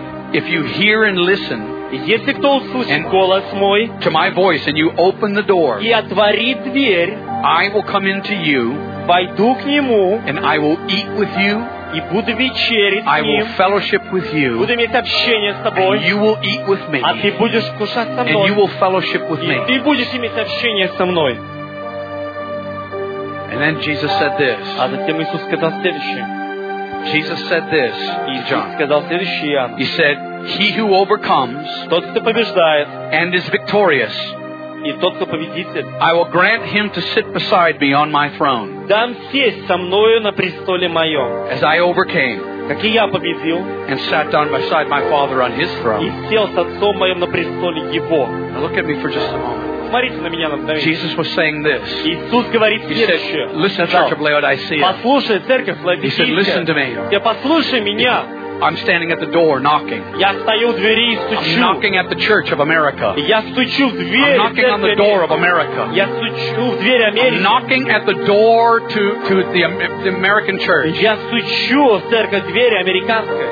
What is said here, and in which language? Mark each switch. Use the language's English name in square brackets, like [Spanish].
[English] If you hear and listen to my voice and you open the door, I will come into you and I will eat with you. [Russian] И буду вечерить с ним. [English] I will fellowship with you. [Russian] Буду иметь общение с тобой. [English] And you will eat with me. [Russian] А ты будешь кушать со мной. [English] And you will fellowship with me. [Russian] И ты будешь иметь общение со мной. [English] And then Jesus said this. [Russian] А затем Иисус сказал следующее. [English] Jesus said this. [Russian] Иисус сказал следующее. [English] He said, "He who overcomes, [Russian] тот, кто побеждает, [English] and is victorious, [Russian] и тот, кто победитель, [English] I will grant him to sit beside me on my throne." [Russian] Дам сесть со мною на престоле моем. [English] As I overcame, [Russian] как и я победил, [English] and sat down beside my Father on His throne. [Russian] И сел с отцом моим на престоле Его. [English] Now look at me for just a moment. [Russian] Смотрите на меня на мгновение. [English] Jesus was saying this. [Russian] Иисус говорит следующее. [English] Listen, Church of Laodicea. [Russian] Послушай, церковь Лаодикия. [English] He said, "Listen to me." [Russian] Я послушай меня. [English] I'm standing at the door knocking. [Russian] Я стою у двери и стучу. [English] I'm knocking at the Church of America. [Russian] Я стучу в дверь. [English] I'm knocking on the door of America. [Russian] Я стучу в дверь Америки. [English] I'm knocking at the door to the American Church. [Russian] Я стучу в церковь двери американской.